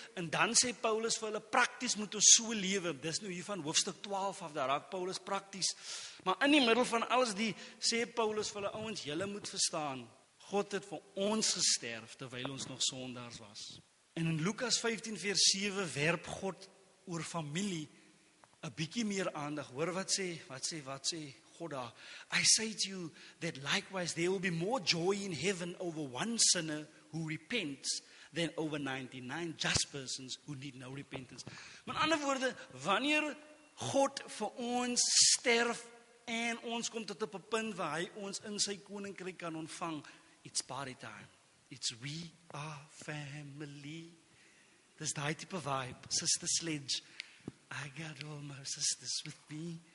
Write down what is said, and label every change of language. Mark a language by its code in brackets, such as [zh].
[af] En dan sê Paulus vir hulle, prakties moet ons so lewe. Dis nou hier van hoofstuk 12 af, daar raak Paulus prakties. Maar in die middel van alles die, sê Paulus vir hulle, ouens, julle moet verstaan, God het vir ons gesterf terwyl ons nog sondaars was. En in Lukas 15 vers 7 werp God oor familie 'n bietjie meer aandag. Hoor wat sê God daar. [en] I say to you that likewise there will be more joy in heaven over one sinner who repents than over 99 just persons who need no repentance. [af] Met ander woorde, wanneer God vir ons sterf en ons kom tot 'n punt waar hy ons in sy koninkryk kan ontvang, [en] it's party time. It's we are family. [af] Dis daai tipe vibe. [en] Sister Sledge, I got all my sisters with me.